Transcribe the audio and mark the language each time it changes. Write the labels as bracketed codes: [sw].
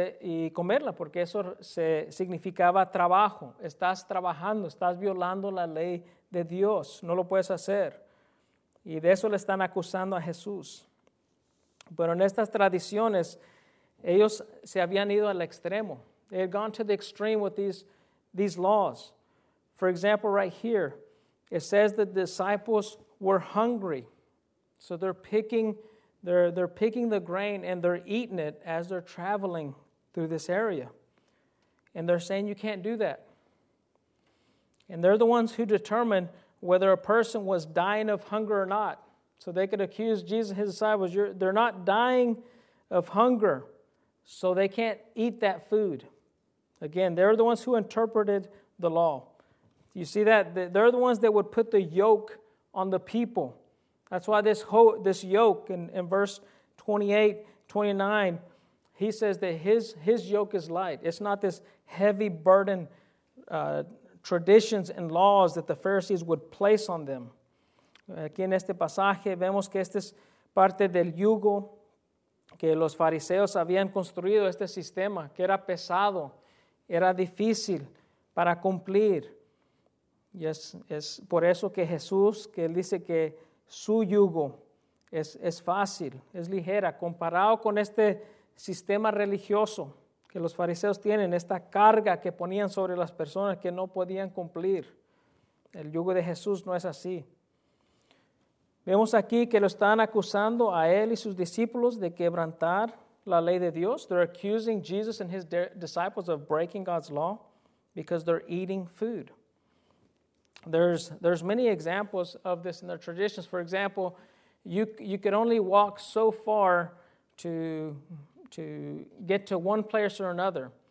[es] Y comerla, porque eso significaba trabajo. Estás trabajando, estás violando la ley de Dios. No lo puedes hacer. Y de eso le están acusando a Jesús. Pero en estas tradiciones, ellos se habían ido al extremo. [en] They had gone to the extreme with these laws. For example, right here, it says the disciples were hungry. So they're picking the grain and they're eating it as they're traveling through this area. And they're saying you can't do that. And they're the ones who determine whether a person was dying of hunger or not. So they could accuse Jesus and his disciples, they're not dying of hunger, so they can't eat that food. Again, they're the ones who interpreted the law. You see that? They're the ones that would put the yoke on the people. That's why this yoke in verse 28, 29, he says that his yoke is light. It's not this heavy burden, traditions and laws that the Pharisees would place on them. [es] Aquí en este pasaje vemos que esta es parte del yugo que los fariseos habían construido, este sistema, que era pesado, era difícil para cumplir. Y es por eso que Jesús, que él dice que su yugo es fácil, es ligera, comparado con este sistema religioso que los fariseos tienen, esta carga que ponían sobre las personas que no podían cumplir. El yugo de Jesús no es así. Vemos aquí que lo están acusando a él y sus discípulos de quebrantar la ley de Dios. [en] They're accusing Jesus and his disciples of breaking God's law because they're eating food. There's many examples of this in their traditions. For example, you could only walk so far to get to one place or another.